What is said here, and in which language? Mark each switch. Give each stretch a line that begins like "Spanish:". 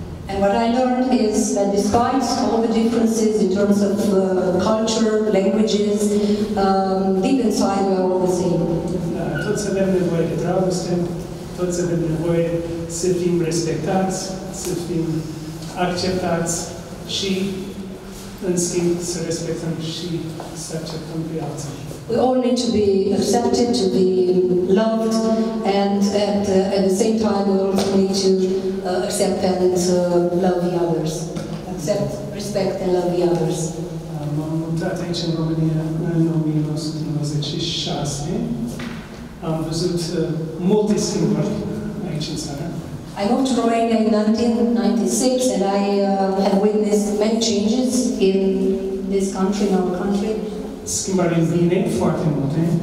English: And what I learned is that despite all the differences in terms of culture, languages, deep inside we are all the same.
Romanian: Da, toți avem nevoie de dragoste, toți avem nevoie să fim respectați, să fim acceptați și, în schimb, să respectăm și să acceptăm pe alții.
English: We all need to be accepted, to be loved, and at the same time we also need to accept and love the others. Accept, respect and love the others.
Romanian: M-am mutat aici în România în 1996. Am văzut multe schimbări aici în țară.
English: I moved to Romania in 1996 and I have witnessed many changes in this country, in our country.
Romanian: Schimbări bine, foarte multe.